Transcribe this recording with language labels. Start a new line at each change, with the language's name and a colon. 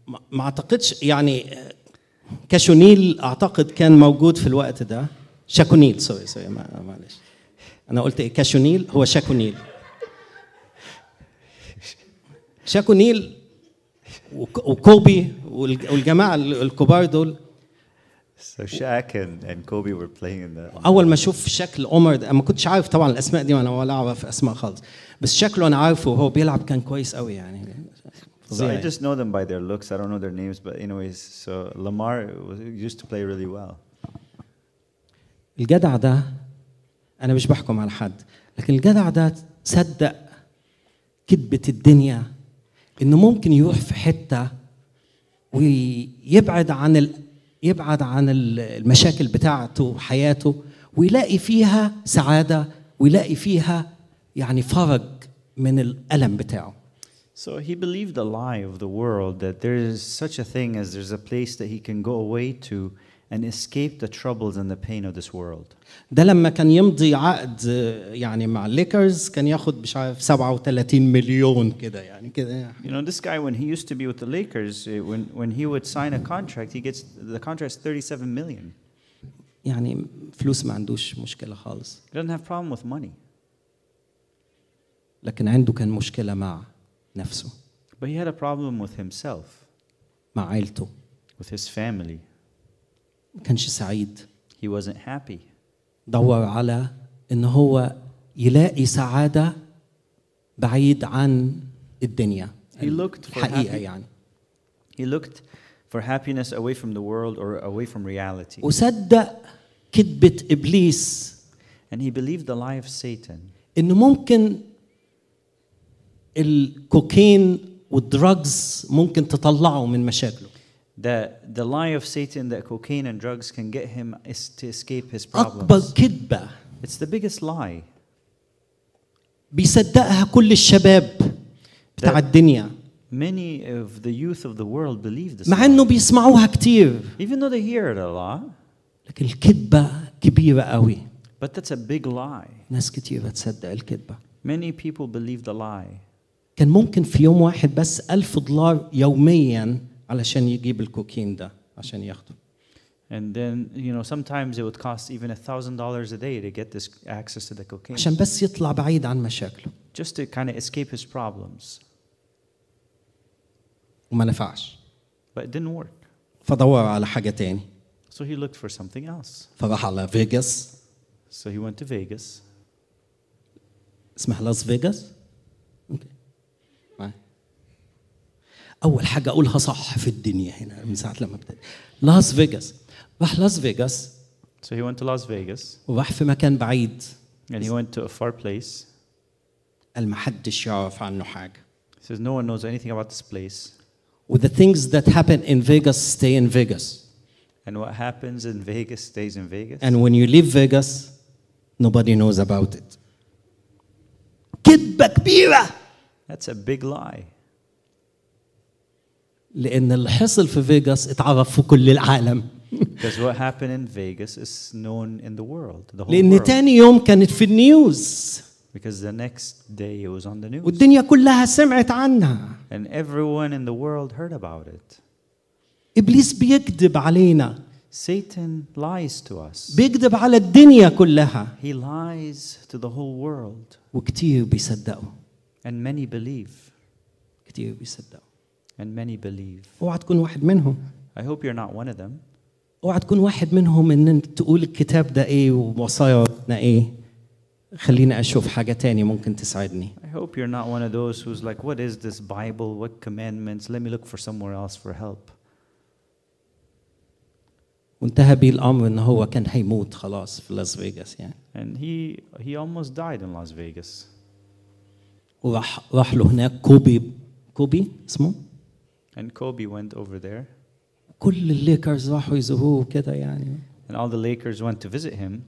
Arabic: ما اعتقدش يعني كاشونيل اعتقد كان موجود في الوقت ده شاكونيل سوري معلش انا قلت ايه كاشونيل هو شاكونيل شاكونيل وكوبي والجماعة الكبار دول.
English: So Shaq and Kobe were playing in the.
Arabic: أول ما شوف شكل عمر ما كنتش عارف طبعا الأسماء دي أنا ولا أعرف أسماء خالص بس شكله أنا عارفه هو بيلعب كان كويس قوي يعني.
English: So I just know them by their looks. I don't know their names, but anyways, so Lamar used to play really well.
Arabic: الجدع ده أنا مش بحكم على حد لكن الجدع ده صدق كذبة الدنيا. إنه ممكن يروح في حتة ويبعد عن المشاكل بتاعته حياته ويلاقي فيها سعادة ويلاقي فيها يعني فرج من الألم بتاعه.
English: So he believed a lie of the world that there is such a thing as there's a place that he can go away to and escape the troubles and the pain of this world.
Arabic: ده لما كان يمضي عقد يعني مع ليكرز كان ياخد مش عارف 37 مليون كده يعني كده.
English: You know this guy when he used to be with the Lakers when he would sign a contract he gets the contract is 37 million.
Arabic: يعني فلوس ما عندوش مشكله خالص.
English: He doesn't have problem with money.
Arabic: لكن عنده كان مشكله مع نفسه.
English: But he had a problem with himself.
Arabic: مع عائلته.
English: With his family.
Arabic: كانش سعيد.
English: He wasn't happy.
Arabic: دور على إن هو يلاقي سعادة بعيد عن الدنيا.
English: He looked for
Arabic: الحقيقة يعني.
English: He looked for happiness away from the world or away from reality.
Arabic: وصدق كذبة إبليس.
English: And he believed the lie of Satan.
Arabic: إنه ممكن الكوكين والدرجز ممكن تطلعه من مشاكله.
English: The lie of Satan that cocaine and drugs can get him is to escape his problems.
Arabic: أكبر كذبة.
English: It's the biggest lie.
Arabic: بيصدقها كل الشباب بتاع الدنيا.
English: Many of the youth of the world believe this.
Arabic: مع إنه بيسمعوها كتير.
English: Even though they hear it a lot.
Arabic: لكن الكذبة كبيرة قوي.
English: But that's a big lie.
Arabic: ناس كتير بتصدق الكذبة.
English: Many people believe the lie.
Arabic: كان ممكن في يوم واحد بس $1,000 يومياً. علشان يجيب الكوكين ده عشان ياخده.
English: And then you know sometimes it would cost even $1,000 a day to get this access to the cocaine.
Arabic: عشان بس يطلع بعيد عن مشاكله.
English: Just to kind of escape his problems.
Arabic: وما نفعش.
English: But it didn't work.
Arabic: فدور على حاجة تاني.
English: So he looked for something else.
Arabic: فراح على فيغاس.
English: So he went to Vegas.
Arabic: اسمها لاس فيغاس. أول حاجة أقولها صح في الدنيا هنا من ساعة لما بدأت. لاس فيغاس. راح لاس فيغاس.
English: So he went to Las Vegas.
Arabic: وراح في مكان بعيد.
English: And he went to a far place.
Arabic: قال ما حدش يعرف عنه حاجة.
English: He says no one knows anything about this place. With the things that happen in Vegas stay in Vegas. And what happens in Vegas stays in Vegas. And when you leave Vegas, nobody knows about it.
Arabic: كذبة كبيرة.
English: That's a big lie.
Arabic: لأن اللي حصل في فيغاس اتعرف في كل العالم.
English: Because what happened in Vegas is known in the world, the whole world.
Arabic: تاني يوم كانت في النيوز.
English: Because the next day it was on the news.
Arabic: والدنيا كلها سمعت عنها.
English: And everyone in the world heard about it.
Arabic: إبليس بيكذب علينا.
English: Satan lies to us.
Arabic: بيكذب على الدنيا كلها.
English: He lies to the whole world.
Arabic: وكتير بيصدقوا.
English: And many believe.
Arabic: كتير بيصدقوا.
English: And many believe.
Arabic: اوعى تكون واحد منهم.
English: I hope you're not one of them.
Arabic: اوعى تكون واحد منهم ان تقول الكتاب ده ايه ووصاياتنا ايه. خليني اشوف حاجه تاني ممكن تساعدني.
English: I hope you're not one of those who's like, what is this Bible? What commandments? Let me look for somewhere else for help.
Arabic: وانتهى بيه الامر ان هو كان هيموت خلاص في لاس فيغاس يعني.
English: And he almost died in Las Vegas.
Arabic: وراح له هناك كوبي اسمه.
English: And Kobe went over there.
Arabic: كل الليكرز راحوا يزوروه كده يعني.
English: And all the Lakers went to visit him.